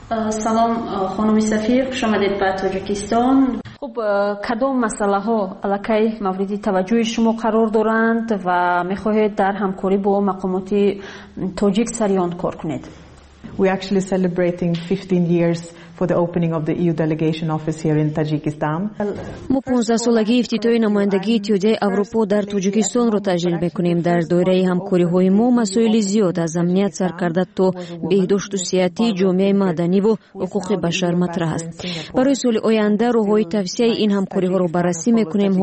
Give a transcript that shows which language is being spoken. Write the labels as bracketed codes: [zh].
[fa] سلام خانم سفیر، خوش آمدید به تاجیکستان. خب کدام مسئله ها علاقه مورد توجه شما قرار دارند و میخواهید در همکاری با مقامات تاجیک سریان کار کنید؟ [en] We actually celebrating 15 years for the opening of the EU delegation office here in Tajikistan. [fa] ما 15 سالگی افتتاح نمایندگی اتحادیه اروپا در تاجیکستان را تجلیل میکنیم. در دایره همکاری های ما مسائل زیاد از امنیت سرکرده تا بهداشت و سیاحتی، جامعه مدنی و حقوق بشر مطرح است. برای سال آینده روهای توسعه این همکاری ها را بررسی میکنیم.